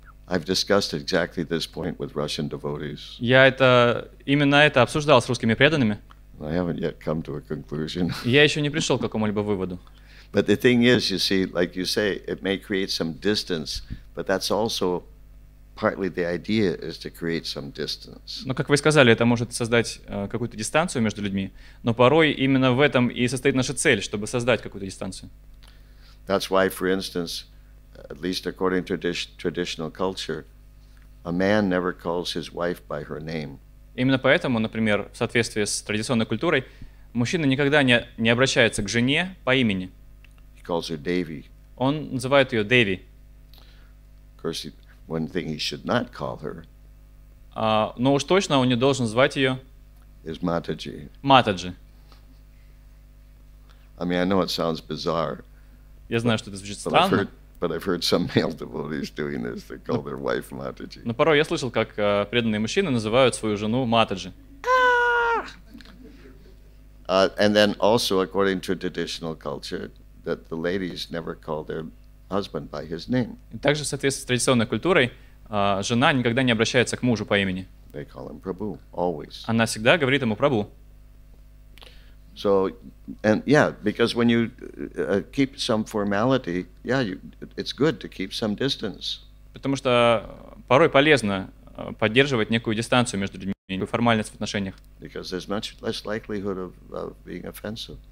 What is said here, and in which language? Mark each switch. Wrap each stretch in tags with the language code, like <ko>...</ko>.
<en>I've discussed exactly this point with Russian devotees.</en> <ru>Я это именно это обсуждал с русскими преданными.</ru> <en>I haven't yet come to a conclusion.</en> <ru>Я еще не пришел к какому-либо выводу.</ru> <en>But the thing is, you see, like you say, it may create some distance, but that's also partly the idea is to create some distance.</en> <ru>Но как вы сказали, это может создать какую-то дистанцию между людьми, но порой именно в этом и состоит наша цель, чтобы создать какую-то дистанцию.</ru> <en>That's why, for instance, at least according to traditional culture, a man never calls his wife by her name.</en> <ru>Именно поэтому, например, в соответствии с традиционной культурой, мужчина никогда не обращается к жене по имени.</ru> <en>Calls her Devi.</en> <ru>Он называет ее Деви.</ru> <en>Of course, one thing he should not call her.</en> <ru>Но уж точно он не должен звать ее.</ru> <en>Is Mataji.</en> <ru>Mataji.</ru> <en>I mean, I know it sounds bizarre.</en> <ru>Я знаю, что это звучит странно.</ru> <en>But I've heard some male devotees doing this. They call their wife Mataji.</en> <ru>Но порой я слышал, как преданные мужчины называют свою жену Mataji.</ru> <en>And then also, according to traditional culture, that the ladies never call their husband by his name.</en> <ru>Также в соответствии с традиционной культурой, жена никогда не обращается к мужу по имени.</ru> <en>They call him Prabhu, always.</en> <ru>Она всегда говорит ему Прабу.</ru> <en>So, and yeah, because when you keep some formality, yeah, it's good to keep some distance.</en> <ru>Потому что порой полезно поддерживать некую дистанцию между людьми, некую формальность в отношениях.</ru> <en>Because there's much less likelihood of being offensive.</en>